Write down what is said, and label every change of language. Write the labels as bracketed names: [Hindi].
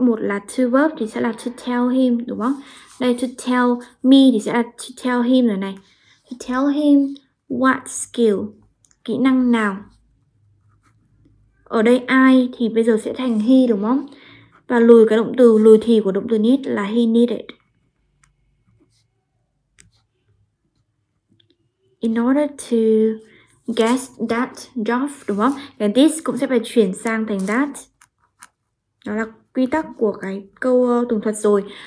[Vietnamese] Một là to verb thì sẽ là [English] to tell him, [Vietnamese] đúng không? Đây [English] to tell me [Vietnamese] thì sẽ là to tell him rồi này. [English] To tell him what skill, [Vietnamese] kỹ năng nào. Ở đây I thì bây giờ sẽ thành he, đúng không? Và lùi cái động từ, lùi thì của động từ need là [English] he needed. In order to guess that job, [Vietnamese] đúng không? Cái this cũng sẽ phải chuyển sang thành that. Đó là quy tắc của cái câu tường thuật rồi.